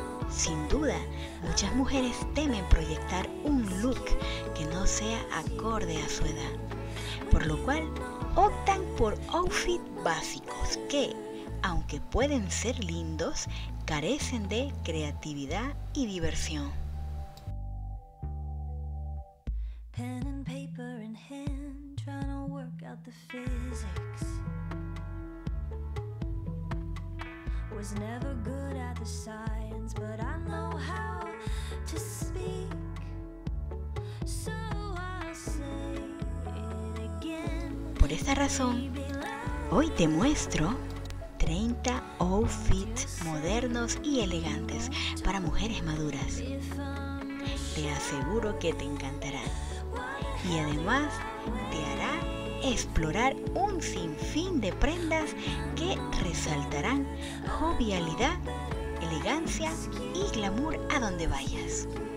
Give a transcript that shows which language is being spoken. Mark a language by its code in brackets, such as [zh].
[es] Sin duda, muchas mujeres temen proyectar un look que no sea acorde a su edad, por lo cual optan por outfits básicos que, aunque pueden ser lindos, carecen de creatividad y diversión. [en] Pen and paper in hand, trying to work out the physics. Was never good at the science, but I know how to speak, so I'll say it again. [es] Por esta razón, hoy te muestro 30 outfits modernos y elegantes para mujeres maduras. Te aseguro que te encantarán y además te hará explorar un sinfín de prendas que resaltarán jovialidad, elegancia y glamour a donde vayas.